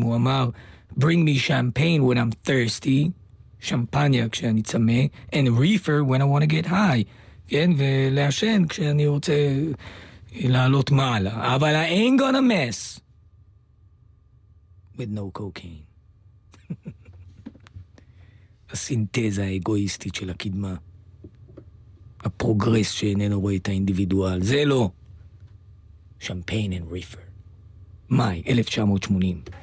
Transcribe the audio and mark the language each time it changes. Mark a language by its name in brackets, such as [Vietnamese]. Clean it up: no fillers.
[Hebrew] הוא אמר, [English] bring me champagne when I'm thirsty, [Hebrew] שמפניה כשאני צמא, [English] and reefer when I want to get high. [Hebrew] כן? ולעשן כשאני רוצה לעלות מעלה. אבל [English] I ain't gonna mess with no cocaine. [Hebrew] הסינתזה האגואיסטית של הקדמה, הפרוגרס שאיננו רואה את האינדיבידואל, זה לא. Champagne and Reefer, מאי 1980.